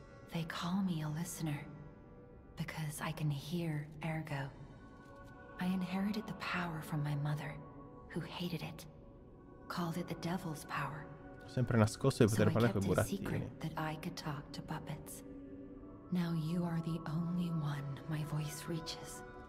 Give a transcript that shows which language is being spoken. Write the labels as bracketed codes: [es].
[en] They call me a listener because I can hear ergo. I inherited the power from my mother, who hated it, called it the devil's power. [it] Sempre nascosto di poter parlare con i burattini. [en] That I could talk to puppets. Now you are the only one my voice reaches.